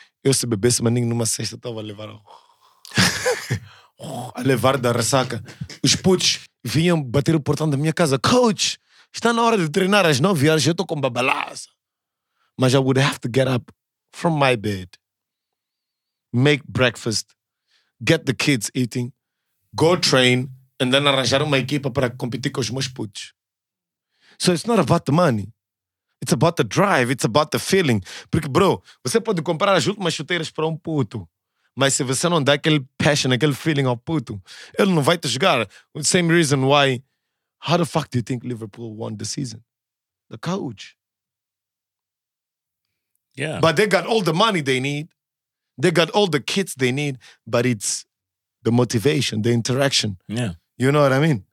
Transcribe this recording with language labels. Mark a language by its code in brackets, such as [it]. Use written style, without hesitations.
[pt] Eu, se bebesse maninho numa sexta, estava a levar da ressaca. Os putos vinham bater o portão da minha casa. Coach, está na hora de treinar às 9 horas. Eu estou com babalaza. [en] Mas I would have to get up from my bed, make breakfast, get the kids eating, go train, and then [pt] arranjar uma equipa para competir com os meus putos. [en] So it's not about the money. It's about the drive, it's about the feeling. [pt] Porque, bro, você pode comprar as últimas chuteiras para um puto, mas se você não dá aquele passion, aquele feeling ao puto, ele não vai te jogar. [en] Same reason why, how the fuck do you think Liverpool won the season? The coach. Yeah. But they got all the money they need. They got all the kids they need, but it's the motivation, the interaction. Yeah. You know what I mean?